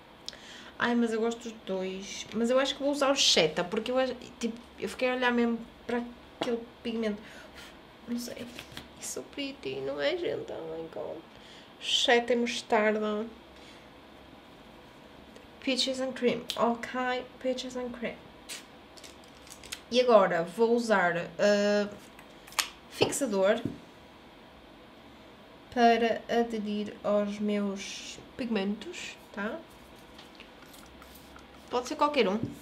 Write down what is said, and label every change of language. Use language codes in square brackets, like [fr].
[pt] Yeah. Ai, mas eu gosto dos dois. Mas eu acho que vou usar o Sheta, porque eu, tipo, eu fiquei a olhar mesmo para aquele pigmento. Não sei. [en] It's so pretty, [pt] não é, gente? [en] Oh my god. Sheta e mostarda. Peaches and cream, ok, peaches and cream. [pt] E agora vou usar fixador para aderir aos meus pigmentos, tá? Pode ser qualquer um.